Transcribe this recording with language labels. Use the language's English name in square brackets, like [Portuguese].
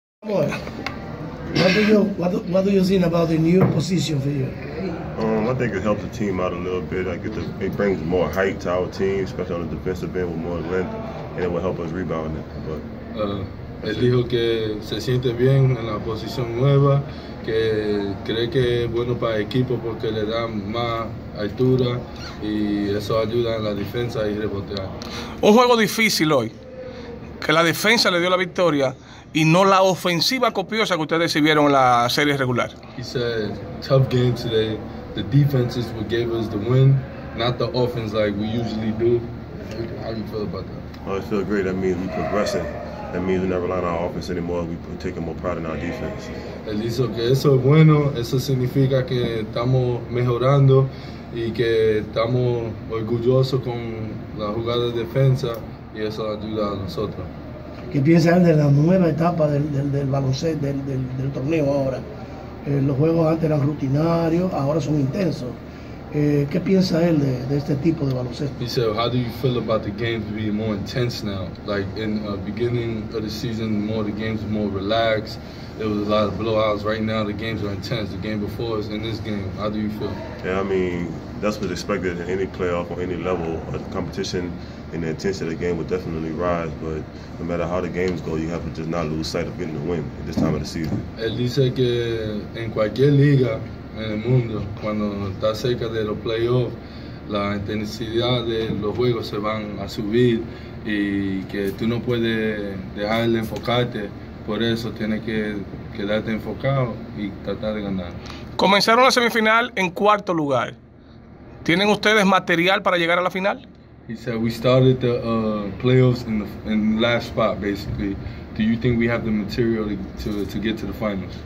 [English] What do you think about the new position for you? I think it helps the team out a little bit. It brings more height to our team, especially on the defensive end with more length, and it will help us rebound it. But [Spanish] él dijo que se siente bien en la posición nueva, que cree que es bueno para el equipo porque le da más altura y eso ayuda en la defensa y rebotear. Un juego difícil hoy, que la defensa le dio la victoria y no la ofensiva copiosa que ustedes recibieron en la serie regular. [English] He said, tough game today. The defense is what gave us the win, not the offense like we usually do. How do you feel about that? I feel great. That means we're progressing. That means we're not relying on our offense anymore. We're taking more pride in our defense. [Spanish] Él dijo que eso es bueno. Eso significa que estamos mejorando y que estamos orgullosos con la jugada de defensa y eso ayuda a nosotros. ¿Qué piensan de la nueva etapa del baloncesto del torneo ahora? Los juegos antes eran rutinarios, ahora son intensos. ¿Qué piensa él de este tipo de baloncesto? [English] He said, how do you feel about the games being more intense now? Like in the beginning of the season, more the games were more relaxed. There was a lot of blowouts. Right now, the games are intense. The game before is in this game. How do you feel? Yeah, I mean, that's what's expected in any playoff or any level of competition. And the intensity of the game will definitely rise. But no matter how the games go, you have to just not lose sight of getting the win at this time of the season. [Spanish] Él dice que en cualquier liga en el mundo, cuando está cerca de los playoffs, la intensidad de los juegos se van a subir y que tú no puedes dejar de enfocarte. Por eso tienes que quedarte enfocado y tratar de ganar. Comenzaron la semifinal en cuarto lugar. ¿Tienen ustedes material para llegar a la final? [English] He said we started the playoffs in last spot, basically. Do you think we have the material to get to the finals?